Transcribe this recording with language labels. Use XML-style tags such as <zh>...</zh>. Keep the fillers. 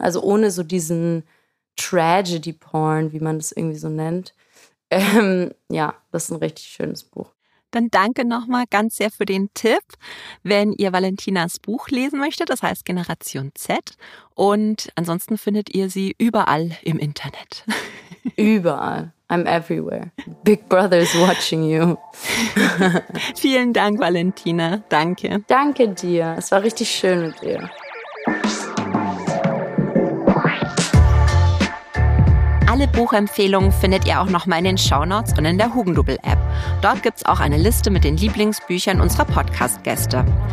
<de>Also ohne so diesen Tragedy-Porn, wie man das irgendwie so nennt. Ähm, ja, das ist ein richtig schönes Buch. Dann danke nochmal ganz sehr für den Tipp, wenn ihr Valentinas Buch lesen möchtet, das heißt Generation Z. Und ansonsten findet ihr sie überall im Internet. Überall.</de> <en>I'm everywhere. Big Brother is watching you.</en> <de>Vielen Dank, Valentina. Danke. Danke dir. Es war richtig schön mit dir. Alle Buchempfehlungen findet ihr auch nochmal in den Shownotes und in der Hugendubel-App. Dort gibt's auch eine Liste mit den Lieblingsbüchern unserer Podcast-Gäste.</de>